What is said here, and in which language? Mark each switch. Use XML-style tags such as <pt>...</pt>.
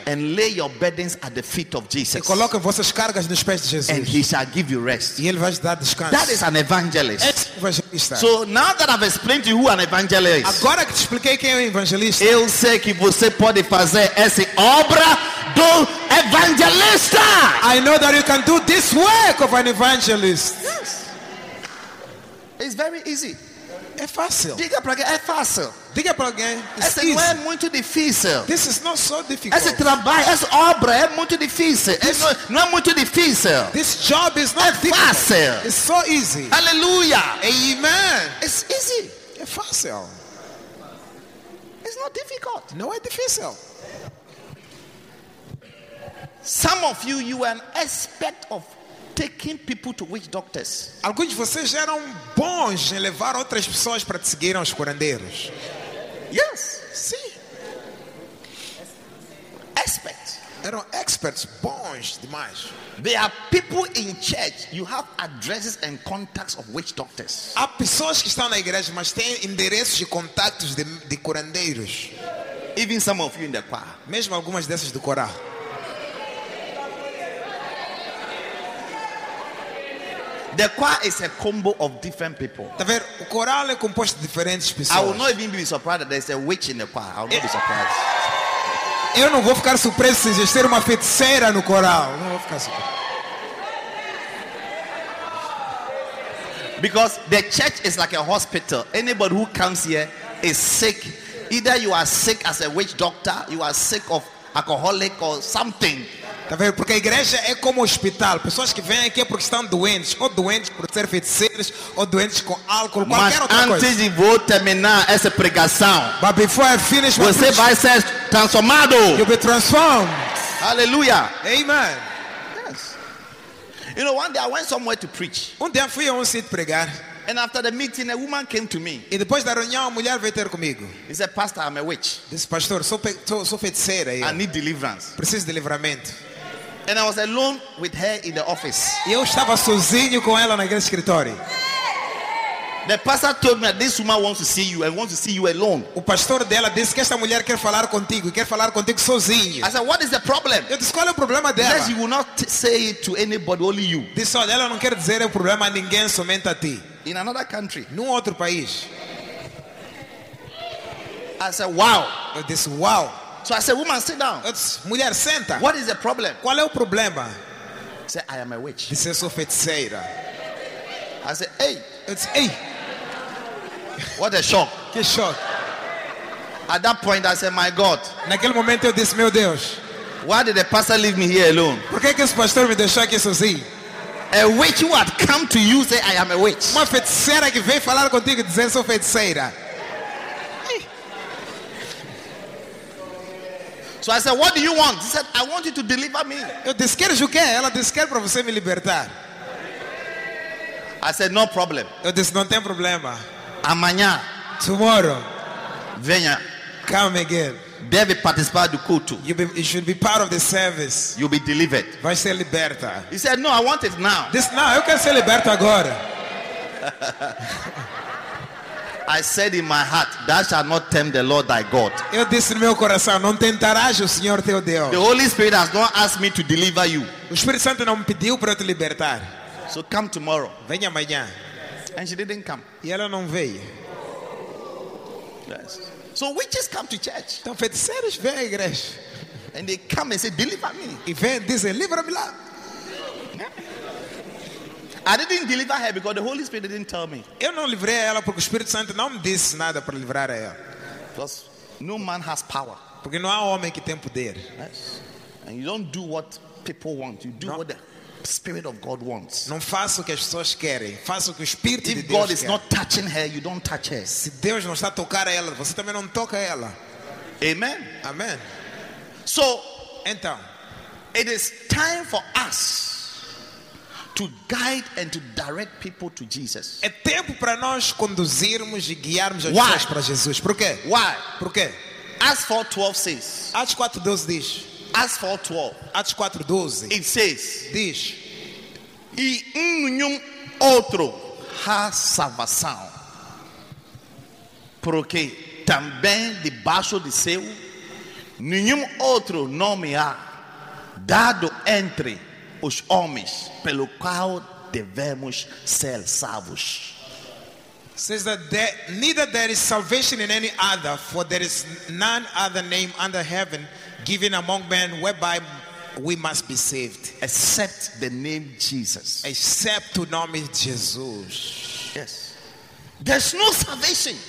<en>And lay your burdens at the feet of Jesus.</en> <pt>E coloque vossas cargas nos pés de Jesus.</pt> <en>And he shall give you rest.</en> <pt>E ele vai dar descanso.</pt> <en>That is an evangelist.</en> <pt>É um evangelista.</pt> <en>So now that I've explained to you who an evangelist is.</en> <pt>Agora que te expliquei quem é o evangelista. Eu sei que você pode fazer essa obra do evangelista.</pt> <en>I know that you can do this work of an evangelist. Yes. It's very easy.</en> <pt>É fácil. Diga para quem é fácil. Diga para alguém. Esse não é muito difícil.</pt> <en>This is not so difficult.</en> <pt>Esse trabalho, essa obra é muito difícil. Não é muito difícil.</pt> <en>This job is not difficult. Fácil. It's so easy. Hallelujah. Amen. It's easy.</en> <pt>É fácil.</pt> <en>It's not difficult.</en> <pt>Não é difícil.</pt> <en>Some of you, you are an expert of taking people to witch doctors.</en> <pt>Alguns de vocês eram bons em levar outras pessoas para te seguirem aos curandeiros.</pt> <en>Yes.</en> <pt>Sim.</pt> <en>Experts.</en> <pt>Eram experts bons demais.</pt> <en>There are people in church. You have addresses and contacts of witch doctors.</en> <pt>Há pessoas que estão na igreja, mas têm endereços e contatos de curandeiros.</pt> <en>Even some of you in the choir.</en> <pt>Mesmo algumas dessas do coral.</pt> <en>The choir is a combo of different people.</en> <pt>Tá ver, o coral é composto de diferentes pessoas.</pt> <en>I will not even be surprised that there is a witch in the choir. I will not be surprised.</en> <pt>Eu não vou ficar surpreso se existir uma feiticeira no coral. Não vou ficar surpreso.</pt> <en>Because the church is like a hospital. Anybody who comes here is sick. Either you are sick as a witch doctor, you are sick of alcoholic or something.</en> <pt>Tá vendo? Porque a igreja é como um hospital. Pessoas que vêm aqui é porque estão doentes, ou doentes por ser feiticeiros, ou doentes com álcool, qualquer mas outra antes coisa. De vou terminar essa pregação,</pt> <en>but before I finish,</en> <pt>você vai ser transformado.</pt> <en>You'll be transformed. Hallelujah. Amen. Yes. You know, one day I went somewhere to preach.</en> <pt>Dia fui a sítio pregar.</pt> <en>And after the meeting, a woman came to me.</en> <pt>E depois da reunião, a mulher veio ter comigo.</pt> <en>He said, "Pastor, I'm a witch."</en> <pt>Disse, pastor, sou feiticeira.</pt> <en>I need deliverance.</en> <pt>Preciso de livramento.</pt> <en>And I was alone with her in the office.</en> <pt>E eu estava sozinho com ela naquele escritório.</pt> <en>The pastor told me that this woman wants to see you and wants to see you alone.</en> <pt>O pastor dela disse que esta mulher quer falar contigo e quer falar contigo sozinho.</pt> <en>I said, "What is the problem?"</en> <pt>Eu disse, qual é o problema dela?</pt> <en>He says, "You will not say it to anybody, only you."</en> <pt>Disse, olha, ela não quer dizer o problema a ninguém, somente a ti.</pt> <en>In another country.</en> <pt>Num outro país.</pt> <en>I said, "Wow."</en> <pt>Eu disse, wow.</pt> <en>So I said, "Woman, sit down."</en> <pt>Eu disse, mulher, senta.</pt> <en>"What is the problem?"</en> <pt>Qual é o problema?</pt> <en>She said, "I am a witch."</en> <pt>Disse, eu sou feiticeira.</pt> <en>I said, "Hey."</en> <pt>Eu disse, "Hey."</pt> <en>What a shock.</en> <pt>Que shock.</pt> <en>At that point, I said, "My God."</en> <pt>Naquele momento, eu disse, meu Deus.</pt> <en>Why did the pastor leave me here alone?</en> <pt>Por que esse pastor me deixou aqui sozinho?</pt> <en>A witch who had come to you say, "I am a witch."</en> <pt>Uma feiticeira que veio falar contigo dizendo, sou feiticeira.</pt> <en>So I said, "What do you want?" He said, "I want you to deliver me."</en> <pt>Eu disse, queres o quê? Ela disse, quer para você me libertar.</pt> <en>I said, "No problem."</en> <pt>Eu disse, não tem problema. Amanhã.</pt> <en>Tomorrow.</en> <pt>Venha.</pt> <en>Come again.</en> <pt>Deve participar do culto.</pt> <en>You should be part of the service. You'll be delivered.</en> <pt>Vai ser liberta.</pt> <en>He said, "No, I want it now." This now,</en> <pt>eu quero ser liberta agora.</pt> <en>I said in my heart, "Thou shalt not tempt the Lord thy God."</en> <pt>Eu disse no meu coração, não tentarás o Senhor teu Deus.</pt> <en>The Holy Spirit has not asked me to deliver you.</en> <pt>O Espírito Santo não me pediu para te libertar.</pt> <en>So come tomorrow.</en> <pt>Venha amanhã.</pt> <en>And she didn't come.</en> <pt>E ela não veio.</pt> <en>Yes. So witches come to church.</en> <pt>Então feiticeiros vêm à igreja.</pt> <en>And they come and say, "Deliver me."</en> <pt>E vêm dizem, livra-me lá.</pt> <en>I didn't deliver her because the Holy Spirit didn't tell me.</en> <pt>Eu não livrei ela porque o Espírito Santo não me disse nada para livrar ela.</pt> <en>Because no man has power.</en> <pt>Porque não há homem que tem poder.</pt> <en>Yes. And you don't do what people want. You do what the Spirit of God wants.</en> <pt>Não faça o que as pessoas querem. Faça o que o Espírito</pt> <en>If</en> <pt>de Deus</pt> <en>God is</en> <pt>quer.</pt> <en>Not touching her, you don't touch her.</en> <pt>Se Deus não está a tocar ela, você também não toca ela.</pt> <en>Amen. Amen. So,</en> <pt>então,</pt> <en>it is time for us to guide and to direct people to Jesus.</en> <pt>É tempo para nós conduzirmos e guiarmos as pessoas para Jesus. Por quê?</pt> <en>Why?</en> <pt>Por quê? Acts 4:12 says. Atos 4:12 diz.</pt> <en>Acts 4:12. It says,</en> <pt>diz, e nenhum outro há salvação, porque também debaixo de céu nenhum outro nome há dado entre os homens pelo qual devemos ser salvos.</pt> <en>Says that neither there is salvation in any other, for there is none other name under heaven given among men whereby we must be saved. Except the name Jesus. Except to nome Jesus. Yes. There's no salvation.</en>